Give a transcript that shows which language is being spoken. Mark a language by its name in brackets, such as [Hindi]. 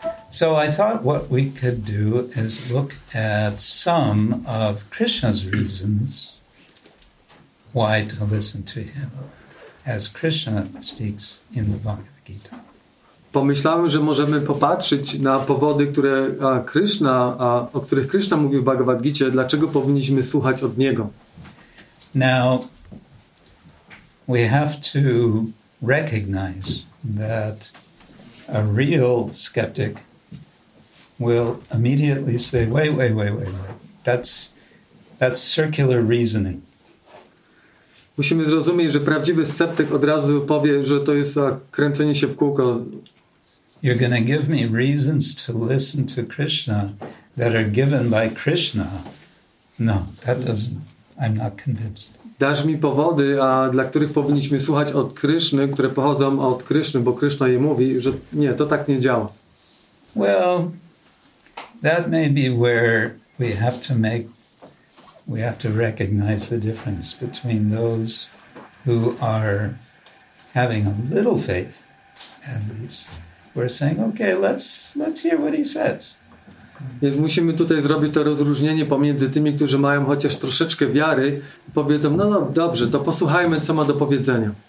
[English] So I thought what we could do is look at some of Krishna's reasons why to listen to him as Krishna speaks in the Bhagavad Gita. [Polish] Pomyślałem, że możemy popatrzeć na powody, które Krishna, o których Krishna mówił w Bhagavad Gita, dlaczego powinniśmy słuchać od niego. [English] Now, we have to recognize that a real skeptic will immediately say, wait. That's circular reasoning. [Polish] Musimy zrozumieć, że prawdziwy sceptyk od razu powie, że to jest kręcenie się w kółko. [English] You're going to give me reasons to listen to Krishna that are given by Krishna. No, that doesn't. I'm not convinced. [Polish] Dasz mi powody, a dla których powinniśmy słuchać od Kryszny, które pochodzą od Kryszny, bo Kryszna je mówi, że nie, to tak nie działa. [English] Well, that may be where we have to recognize the difference between those who are having a little faith, at least. We're saying, okay, let's hear what he says. [Polish] Więc musimy tutaj zrobić to rozróżnienie pomiędzy tymi, którzy mają chociaż troszeczkę wiary i powiedzą, no dobrze, to posłuchajmy, co ma do powiedzenia.